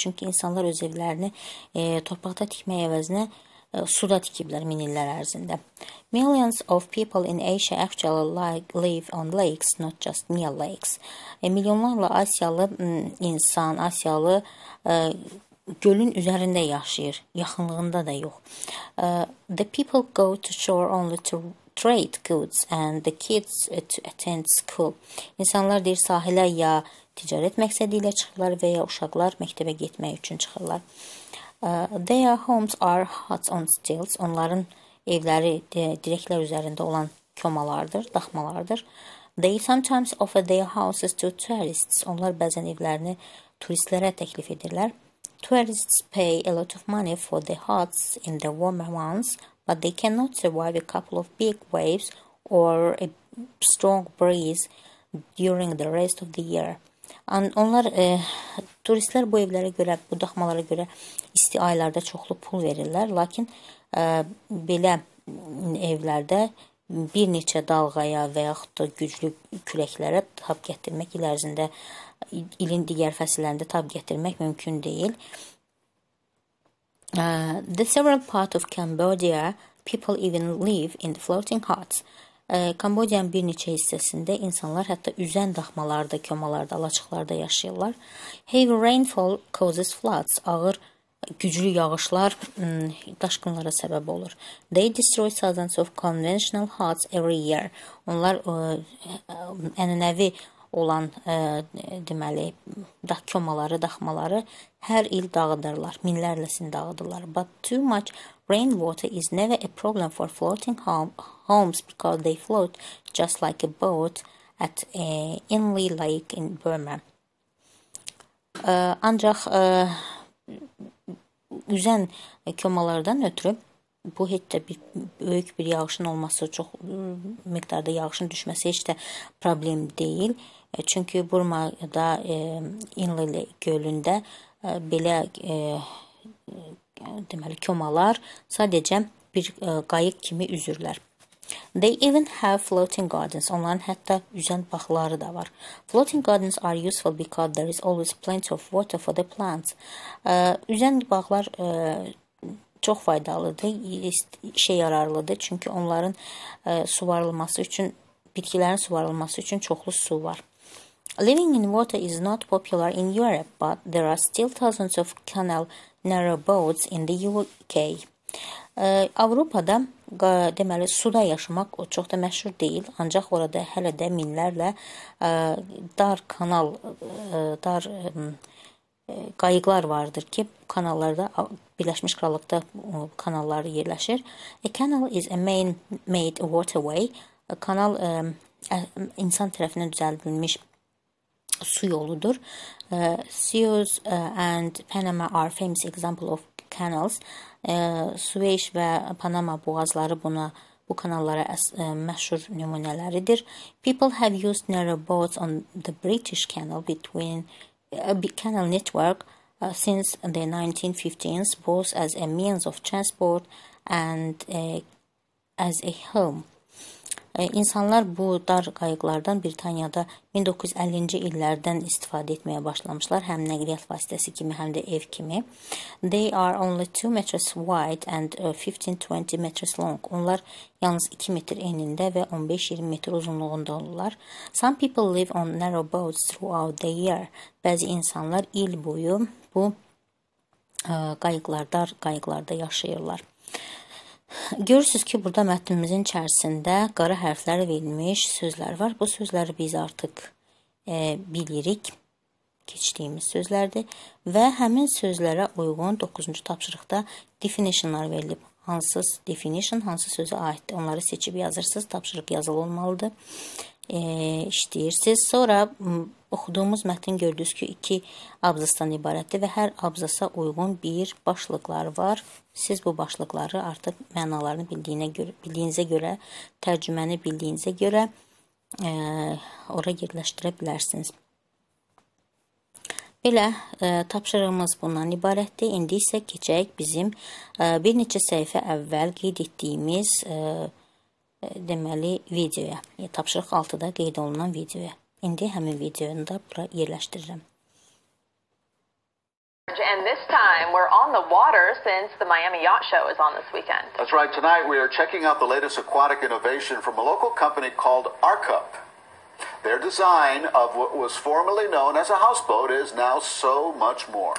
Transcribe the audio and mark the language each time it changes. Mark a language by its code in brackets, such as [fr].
[az] Çünki insanlar öz evlərini torpaqda tikmək əvəzinə suda tikiblər min illər ərzində. [en] Millions of people in Asia actually live on lakes, not just near lakes. [az] Milyonlarla Asiyalı insan, Asiyalı gölün üzərində yaşayır, yaxınlığında da yox. [en] The people go to shore only to trade goods and the kids to attend school. [az] İnsanlar deyir sahilə ya ticaret məqsədi ilə çıxırlar və ya uşaqlar məktəbə getmək üçün çıxırlar. [en] Their homes are huts on stilts. [az] Onların evləri dirəklər üzərində olan komalardır, daxmalardır. [en] They sometimes offer their houses to tourists. [az] Onlar bəzən evlərini turistlərə təklif edirlər. [en] Tourists pay a lot of money for the huts in the warmer months. But they cannot survive a couple of big waves or a strong breeze during the rest of the year. [az] Onlar turistlər bu evlərə görə, bu daxmalara görə isti aylarda çoxlu pul verirlər, lakin belə evlərdə bir neçə dalğaya və yaxud da güclü küləklərə tab gətirmək il ərzində ilin digər fəsillərində tab gətirmək mümkün deyil. [en] The several parts of Cambodia, people even live in floating huts. [az] Kamboçya'nın bir neçə hissəsində insanlar hətta üzən daxmalarda, komalarda, alaçıqlarda yaşayırlar. [en] Heavy rainfall causes floods. [az] Ağır, güclü yağışlar daşqınlara səbəb olur. [en] They destroy thousands of conventional huts every year. [az] Onlar ənənəvi olan deməli komaları, daxmaları hər il dağıdırlar. Minlərləsini dağıdırlar. [en] But too much rainwater is never a problem for floating homes because they float just like a boat at Inley Lake in Burma. [az] Ancaq üzən komalardan ötürü bu heç də bir böyük bir yağışın olması, çox miqdarda yağışın düşməsi heç də problem deyil. Çünki Burma'da Inle gölündə belə deməli komalar sadəcə bir qayıq kimi üzürlər. [en] They even have floating gardens. [az] Onların hətta üzən bağları da var. [en] Floating gardens are useful because there is always plenty of water for the plants. [az] Üzən bağlar çox faydalıdır, işe yararlıdır. Çünki onların suvarılması üçün, bitkilərin suvarılması üçün çoxlu su var. [en] Living in water is not popular in Europe, but there are still thousands of canal narrow boats in the UK. [az] Avropada deməli suda yaşamaq o çox da məşhur deyil, ancaq orada hələ də minlərlə dar kanal, dar qayıqlar vardır ki, kanallarda Birləşmiş Krallıqda kanallar yerləşir. [en] A canal is a man-made waterway. [az] Kanal insan tərəfindən düzəldilmiş su yoludur. [en] Suez and Panama are famous example of canals. [az] Suez və Panama boğazları buna bu kanallara məşhur nümunələridir. [en] People have used narrow boats on the British Canal between a canal network since the 1915s both as a means of transport and as a home. [az] İnsanlar bu dar qayıqlardan Britaniyada 1950-ci illərdən istifadə etməyə başlamışlar, həm nəqliyyat vasitəsi kimi, həm də ev kimi. [en] They are only 2 metres wide and 15-20 metres long. [az] Onlar yalnız 2 metr enində və 15-20 metr uzunluğunda olurlar. [en] Some people live on narrow boats throughout the year. [az] Bəzi insanlar il boyu bu qayıqlar, dar qayıqlarda yaşayırlar. Görürsünüz ki, burada mətnimizin içərisində qara hərflər verilmiş sözlər var. Bu sözləri biz artıq bilirik, keçdiyimiz sözlərdir. Və həmin sözlərə uyğun 9-cu tapşırıqda definitionlar verilib. Hansı definition, hansı sözə aiddir, onları seçib yazırsınız. Tapşırıq yazılı olmalıdır. İşləyirsiniz. Sonra oxuduğumuz mətin gördünüz ki, 2 abzasdan ibarətdir və hər abzasa uyğun bir başlıqlar var. Siz bu başlıqları artıq mənalarını bildiyinizə görə, tərcüməni bildiyinizə görə ora yerləşdirə bilərsiniz. Belə, tapşırığımız bundan ibarətdir. İndi isə keçək bizim bir neçə səhifə əvvəl qeyd etdiyimiz deməli videoya, tapşırıq 6-da qeyd olunan videoya. İndi həmin videonu da bura yerləşdirirəm. [en] And this time we're on the water since the Miami Yacht Show is on this weekend. That's right. Tonight we are checking out the latest aquatic innovation from a local company called Arcup. Their design of what was formerly known as a houseboat is now so much more.